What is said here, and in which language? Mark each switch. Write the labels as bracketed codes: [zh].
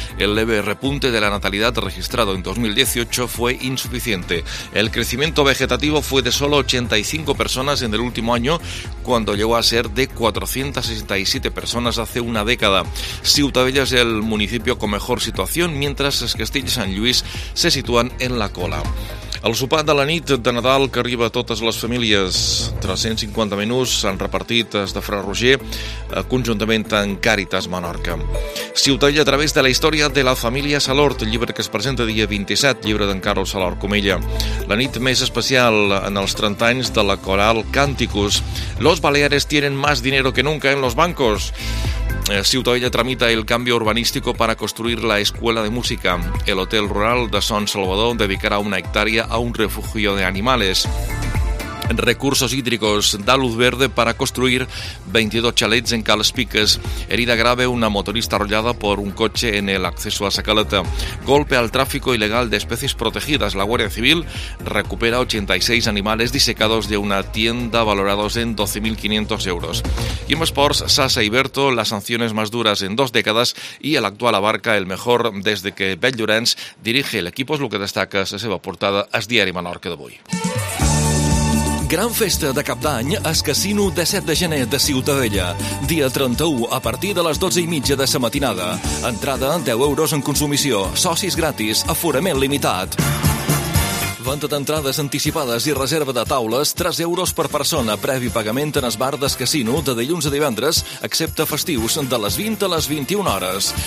[es] El leve repunte de la natalidad registrado en 2018 fue insuficiente. El crecimiento vegetativo fue de solo 85 personas en el último año, cuando llegó a ser de 467 personas hace una década. Ciutadella es el municipio con mejor situación, mientras el Castell San Lluís se sitúan en la cola. [ca] El sopar de la nit de Nadal que arriba a totes les famílies. 350 menuts s'han repartit des de Fra Roger, conjuntament amb Càritas Menorca. Ciutadella a través de la història de la família Salort, llibre que es presenta dia 27, llibre d'en Carlos Salort Comella. La nit més especial en els 30 anys de la coral Canticus. [es] Los Baleares tienen más dinero que nunca en los bancos. Ciutadella tramita el cambio urbanístico para construir la escuela de música. El hotel rural de Son Salvador dedicará una hectárea a un refugio de animales. Recursos hídricos da luz verde para construir 22 chalets en Calspiques. Herida grave, una motorista arrollada por un coche en el acceso a Sacaleta. Golpe al tráfico ilegal de especies protegidas. La Guardia Civil recupera 86 animales disecados de una tienda valorados en 12.500 euros. Y en Sports, Sasa y Berto, las sanciones más duras en dos décadas y el actual abarca el mejor desde que Bel Llorenç dirige el equipo. Es lo que destaca [ca] la seva portada al diari Menorca d'avui. Gran festa de Cap d'Any al Casino de 7 de gener de Ciutadella. Dia 31 a partir de les 12:30 de la matinada. Entrada 10 euros en consumició. Socis gratis. Aforament limitat. venda d'entrades anticipades i reserva de taules, 3 euros per persona, previ pagament en esbardes casino de dilluns a divendres, excepte festius, de les 20 a les 21 hores.